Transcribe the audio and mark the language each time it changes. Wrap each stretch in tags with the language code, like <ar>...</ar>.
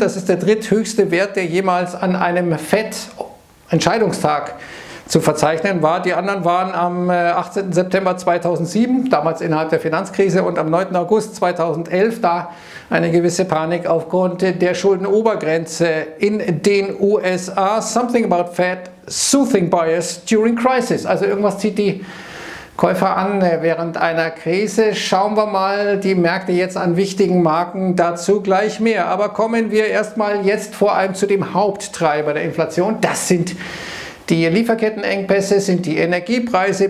<de>Das ist der dritthöchste Wert, der jemals an einem Fed-Entscheidungstag zu verzeichnen war. Die anderen waren am 18. September 2007, damals innerhalb der Finanzkrise, und am 9. August 2011, da eine gewisse Panik aufgrund der Schuldenobergrenze in den USA.</de> <en>Something about Fed soothing bias during crisis.</en> <de>Also irgendwas zieht die Käufer an während einer Krise. Schauen wir mal die Märkte jetzt an wichtigen Marken dazu gleich mehr. Aber kommen wir erstmal jetzt vor allem zu dem Haupttreiber der Inflation. Das sind die Lieferkettenengpässe, sind die Energiepreise.</de>